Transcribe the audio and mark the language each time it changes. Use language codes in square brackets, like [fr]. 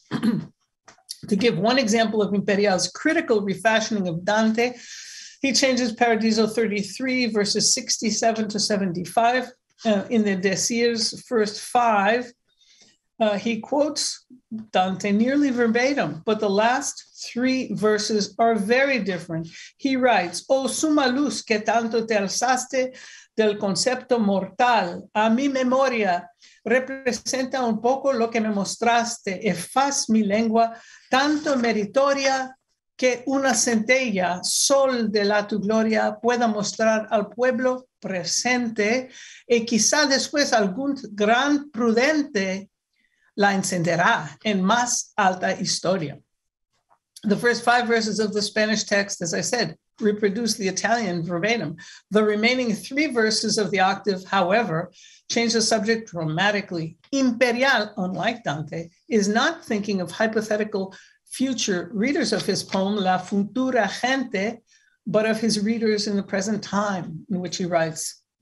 [en] To give one example of Imperial's critical refashioning of Dante, he changes Paradiso 33, verses 67 to 75. In the desir's first five, he quotes Dante nearly verbatim, but the last three verses are very different. [es] He writes, O suma luz que tanto te alzaste del concepto mortal, a mi memoria representa un poco lo que me mostraste, e faz mi lengua tanto meritoria que una centella sol de la tu gloria pueda mostrar al pueblo presente, e quizá después algún gran prudente la encenderá en más alta historia. [en] The first five verses of the Spanish text, as I said, reproduce the Italian verbatim. The remaining three verses of the octave, however, change the subject dramatically. Imperial, unlike Dante, is not thinking of hypothetical future readers of his poem, La Futura Gente, but of his readers in the present time, in which he writes.